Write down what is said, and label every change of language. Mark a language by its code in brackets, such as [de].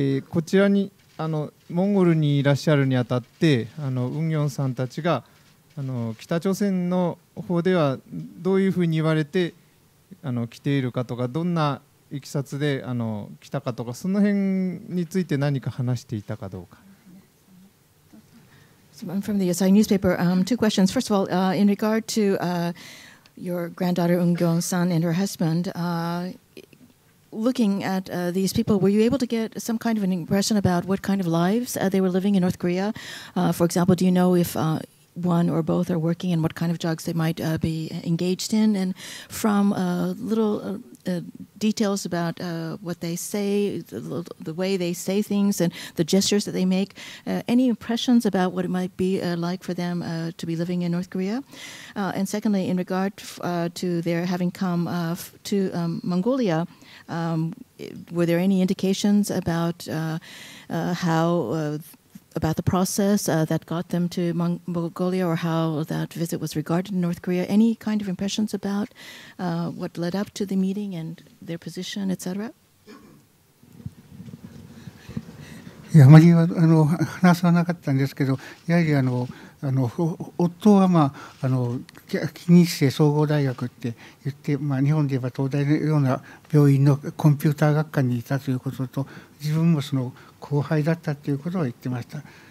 [ja] こちらにモンゴルにいらっしゃるにあたってウンギョンさんたちが北朝鮮の方ではどういうふうに言われて来ているかとか、どんないきさつで来たかとか、その辺について何か話していたかどうか。 [en] So, I'm from the Yosai newspaper. Two questions. First of all, in regard to your granddaughter Eun Gyeong-san and her husband, looking at these people, were you able to get some kind of an impression about what kind of lives they were living in North Korea? For example, do you know if one or both are working and what kind of jobs they might be engaged in? And from little details about what they say, the way they say things and the gestures that they make, any impressions about what it might be like for them to be living in North Korea? And secondly, in regard to their having come to Mongolia, were there any indications about how about the process that got them to Mongolia, or how that visit was regarded in North Korea? Any kind of impressions about what led up to the meeting and their position, etc.? [ja] あまり話さなかったんですけど、やはり夫は、まあ、近日制総合大学って言って、まあ、日本で言えば東大のような病院のコンピューター学科にいたということと、自分もその後輩だったということを言ってました。